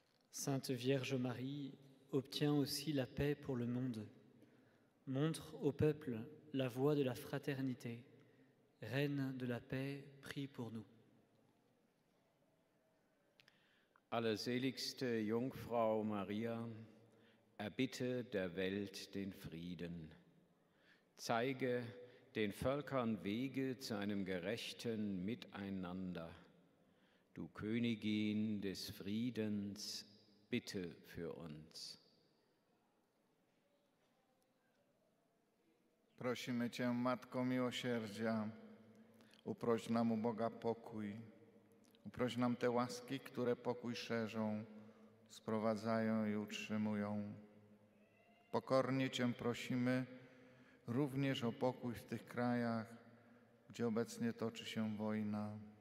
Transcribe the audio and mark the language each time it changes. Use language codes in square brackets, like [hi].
[fr] Sainte Vierge Marie, obtiens aussi la paix pour le monde. Montre au peuple la voie de la fraternité. Reine de la paix, prie pour nous. [de] Allerseligste Jungfrau Maria, erbitte der Welt den Frieden. Zeige den Völkern Wege zu einem gerechten Miteinander. Du Königin des Friedens, bitte für uns. [pl] Prosimy Cię, Matko Miłosierdzia, uproś nam u Boga pokój. Uproś nam te łaski, które pokój szerzą, sprowadzają i utrzymują. Pokornie Cię prosimy również o pokój w tych krajach, gdzie obecnie toczy się wojna.